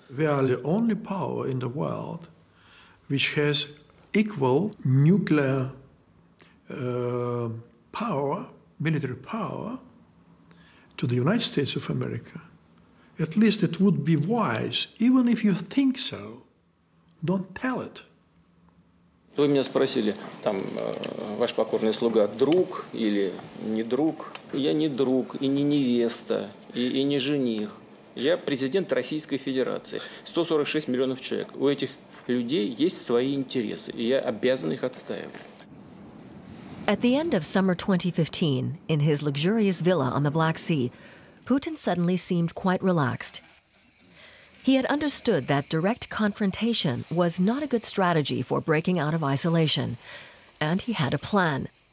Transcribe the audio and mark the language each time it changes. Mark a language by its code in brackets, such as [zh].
[en] We are the only power in the world which has equal nuclear power, military power, to the United States of America. At least it would be wise, even if you think so, don't tell it. [ru] Вы меня спросили, там, ваш покорный слуга, друг или не друг? Я не друг, и не невеста, и не жених. Я президент Российской Федерации. 146 миллионов человек. У этих людей есть свои интересы, и я обязан их отстаивать. [en] At the end of summer 2015, in his luxurious villa on the Black Sea, Putin suddenly seemed quite relaxed. He had understood that direct confrontation was not a good strategy for breaking out of isolation, and he had a plan.